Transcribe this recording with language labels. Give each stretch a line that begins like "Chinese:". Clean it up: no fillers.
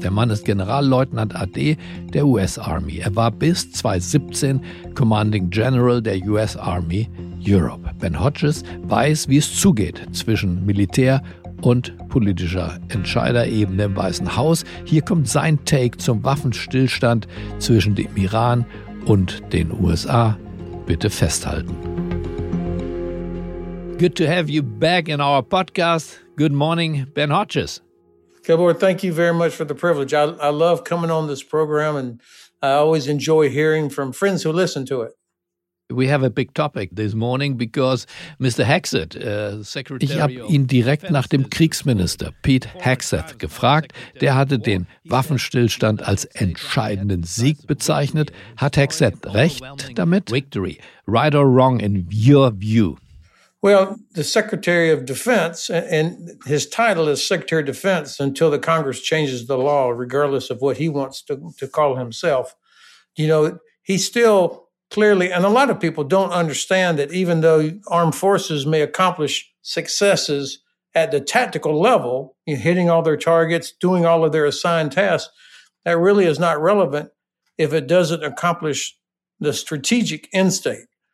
German: Der Mann ist Generalleutnant AD der US Army. Er war bis 2017 Commanding General der US Army Europe. Ben Hodges weiß, wie es zugeht zwischen Militär und politischer Entscheiderebene im Weißen Haus. Hier kommt sein Take zum Waffenstillstand zwischen dem Iran und den USA. Bitte festhalten.
English: Good to have you back in our podcast. Good morning, Ben Hodges. Gabor, thank you very much for the privilege. I love coming on this program and I always enjoy hearing from friends who listen to it. We have a big topic this morning because Mr. Hegseth, Secretary.
German: Ich habe ihn direkt nach dem Kriegsminister Pete Hegseth gefragt. Der hatte den Waffenstillstand als entscheidenden Sieg bezeichnet. Hat Hegseth recht damit?
English: Victory, right or wrong in your view? Well, the Secretary of Defense, and his title is Secretary of Defense until the Congress changes the law, regardless of what he wants to call himself. You know, he still. Clearly, and a lot of people don't understand that even though armed forces may accomplish successes at the tactical level, you know, hitting all their targets, doing all of their assigned tasks, that really is not relevant if it doesn't accomplish the strategic end state.